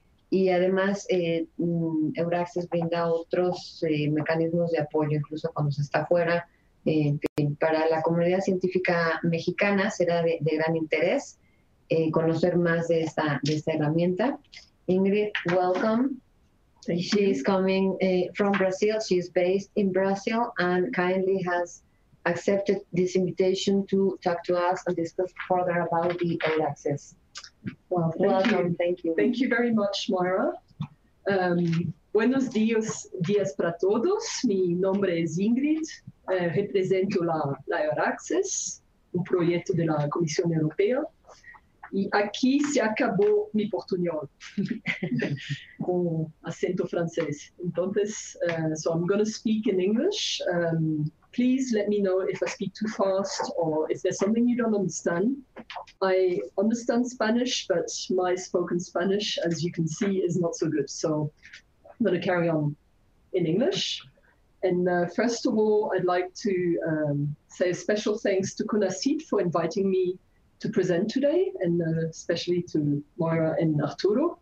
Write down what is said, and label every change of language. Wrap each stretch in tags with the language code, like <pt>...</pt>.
<es>Y además, Euraccess brinda otros mecanismos de apoyo, incluso cuando se está fuera. Para la comunidad científica mexicana será de gran interés conocer más de esta herramienta.</es> <en>Ingrid, welcome. She is coming from Brazil. She is based in Brazil and kindly has accepted this invitation to talk to us and discuss further about the Euraccess. Well, thank you. Thank you very much, Moira.</en> <es>Buenos días, días para todos. Mi nombre es Ingrid, represento la Euraxes, un proyecto de la Comisión Europea. Y aquí se acabó mi portuñol, con acento francés.</es> <en>Entonces, so I'm going to speak in English. Please let me know if I speak too fast or if there's something you don't understand. I understand Spanish, but my spoken Spanish, as you can see, is not so good. So I'm going to carry on in English. And first of all, I'd like to say a special thanks to CONACYT for inviting me to present today, and especially to Moira and Arturo.</en>